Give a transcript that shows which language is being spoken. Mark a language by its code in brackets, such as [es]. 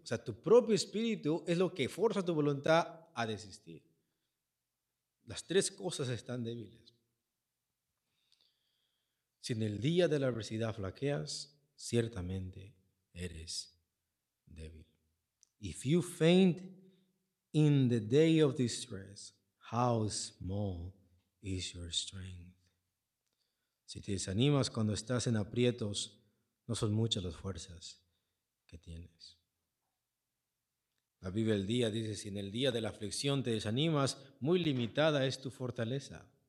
[es] O sea, tu propio espíritu es lo que fuerza tu voluntad a desistir. Las tres cosas están débiles. Si en el día de la adversidad flaqueas, ciertamente eres débil. [en] If you faint in the day of distress, how small is your strength? [es] Si te desanimas cuando estás en aprietos, no son muchas las fuerzas que tienes. La Biblia del día dice, si en el día de la aflicción te desanimas, muy limitada es tu fortaleza.